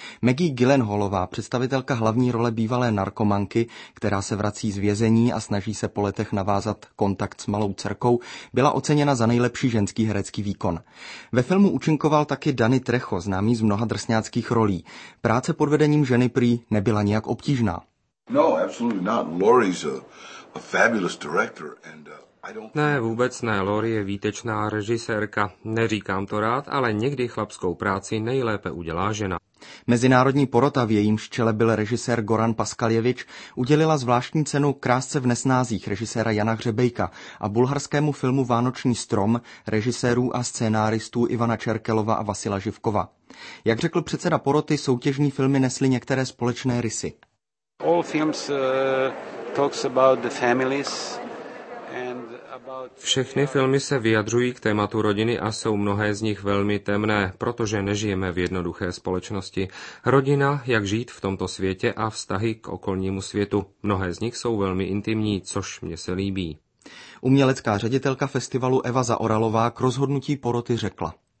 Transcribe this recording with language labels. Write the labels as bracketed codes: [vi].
[cs] Maggie Gyllenhaalová, představitelka hlavní role bývalé narkomanky, která se vrací z vězení a snaží se po letech navázat kontakt s malou dcerkou, byla oceněna za nejlepší ženský herecký výkon. Ve filmu účinkoval taky Danny Trejo, známý z mnoha drsňáckých rolí. Práce pod vedením ženy prý nebyla nijak obtížná. [en] No, absolutely not. Laurie's a fabulous director and [cs] Ne, vůbec ne. Laurie je výtečná režisérka. Neříkám to rád, ale někdy chlapskou práci nejlépe udělá žena. Mezinárodní porota, v jejímž čele byl režisér Goran Paskaljevič, udělila zvláštní cenu Krásce v nesnázích režiséra Jana Hřebejka a bulharskému filmu Vánoční strom režisérů a scénáristů Ivana Čerkelova a Vasila Živkova. Jak řekl předseda poroty, soutěžní filmy nesly některé společné rysy. [en] All films talks about the families. [cs] Všechny filmy se vyjadřují k tématu rodiny a jsou mnohé z nich velmi temné, protože nežijeme v jednoduché společnosti. Rodina, jak žít v tomto světě a vztahy k okolnímu světu. Mnohé z nich jsou velmi intimní, což mě se líbí. Umělecká ředitelka festivalu Eva Zaoralová k rozhodnutí poroty řekla.